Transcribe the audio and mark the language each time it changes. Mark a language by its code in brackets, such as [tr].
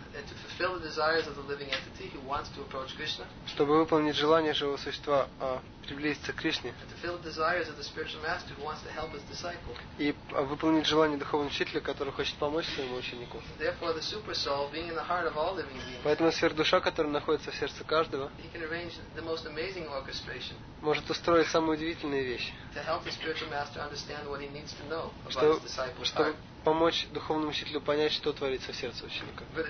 [en] and to fulfill the desires of the living entity, he wants to approach Krishna. [ru] Чтобы выполнить желание живого существа приблизиться к Кришне. [en] And to fulfill the desires of the spiritual master who wants to help his disciple. [ru] И выполнить желание духовного учителя, который хочет помочь своему ученику. [en] Therefore, the super soul, being in the heart of all living beings. [ru] Поэтому сверхдуша, которая находится в сердце каждого. [en] He can arrange the most amazing orchestration. [ru] Может устроить самые удивительные вещи. [en] To help the spiritual master understand what he needs to know about his disciple's heart. [ru] Помочь духовному учителю понять, что творится в сердце ученика.